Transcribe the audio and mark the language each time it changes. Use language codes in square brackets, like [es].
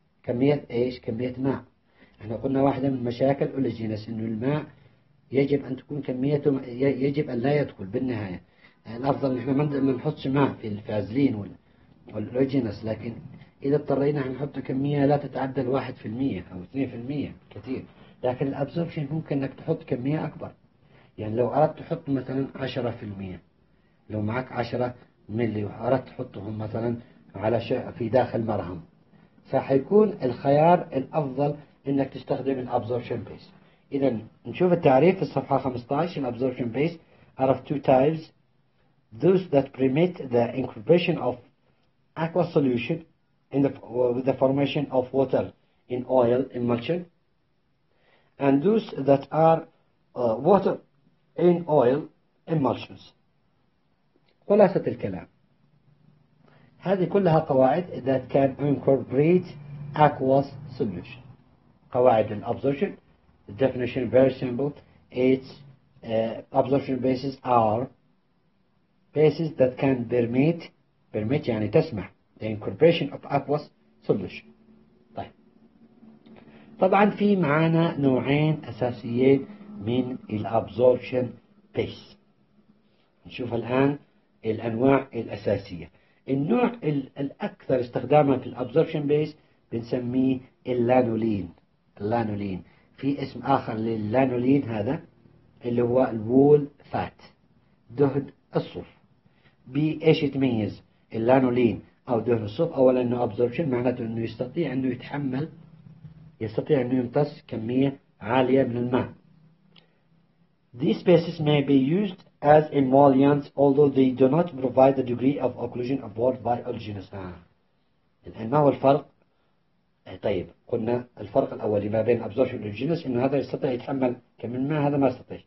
[ar] كمية ايش؟ كمية ماء. احنا قلنا واحدة من مشاكل الاوليجينس انه الماء يجب ان تكون كميته، يجب ان لا يدخل بالنهايه، الافضل ان احنا ما نحطش ماء في الفازلين والاوريجينس، لكن اذا اضطرينا هنحط كميه لا تتعدى 1% او 2% كثير، لكن الابزوربشن ممكن انك تحط كميه اكبر. يعني لو اردت تحط مثلا 10%، لو معك 10 ملي واردت تحطهم مثلا على في داخل مرهم، فحيكون الخيار الافضل انك تستخدم الابزوربشن بيس. إذا نشوف التعريف في الصفحة 15، الـ [en] absorption base are of two types, those that permit the incorporation of aqueous solution in the, with the formation of water in oil emulsion, and those that are water in oil emulsions. [ar] خلاصة الكلام، هذه كلها قواعد [en] that can incorporate aqueous solution. [ar] قواعد الـ absorption. [en] The definition is very simple. Its absorption bases are bases that can permit [ar] يعني تسمح [en] the incorporation of aqueous solution. [ar] طيب طبعا في معانا نوعين اساسيين من الابزوربشن بيس، نشوف الان الانواع الاساسيه. النوع الاكثر استخداما في الابزوربشن بيس بنسميه اللانولين. اللانولين في اسم آخر لللانولين هذا اللي هو الوول فات، دهن الصوف. بإيش يتميز اللانولين او دهن الصبح، اولا انه ابزوربشن معناته انه يستطيع انه يتحمل، يستطيع انه يمتص كميه عاليه من الماء. [en] These spaces may be used as emollients although they do not provide the degree of occlusion abhorred by oleaginous. [ar] الان ما هو الفرق؟ طيب قلنا الفرق الاولي ما بين absorption والoleaginous انه هذا يستطيع يتحمل كم الماء، هذا ما يستطيع.